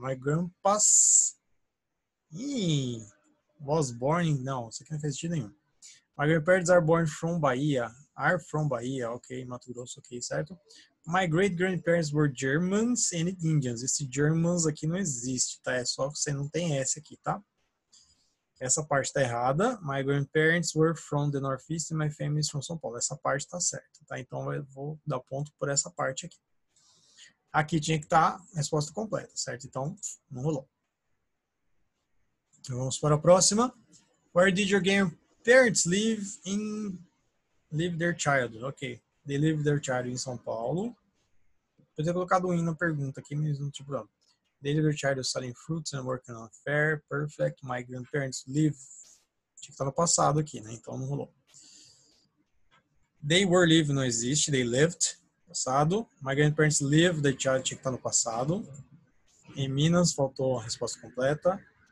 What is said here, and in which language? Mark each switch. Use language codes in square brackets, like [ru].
[en] My grandpa's. Ih. Was born in. [pt] Não, isso aqui não fez sentido nenhum. [en] My grandparents are born from Bahia. Are from Bahia, ok. Mato Grosso, ok, certo? My great grandparents were Germans and Indians. [pt] Esse Germans aqui não existe, tá? É só você não tem S aqui, tá? Essa parte tá errada. [en] My grandparents were from the Northeast and my family is from São Paulo. [pt] Essa parte tá certa, tá? Então eu vou dar ponto por essa parte aqui. Aqui tinha que estar a resposta completa, certo? Então não rolou. Então vamos para a próxima. [en] Where did your game. Parents live their child. Ok. They live their child em São Paulo. [pt] Podia ter colocado um in na pergunta aqui, mas não tinha problema. [en] They live their child selling fruits and working on a fair. Perfect. My grandparents live. [pt] Tinha que estar no passado aqui, né? Então não rolou. [en] They were live [pt] não existe. [en] They lived. Passado. My grandparents live their child. [pt] Tinha que estar no passado. Em Minas, faltou a resposta completa.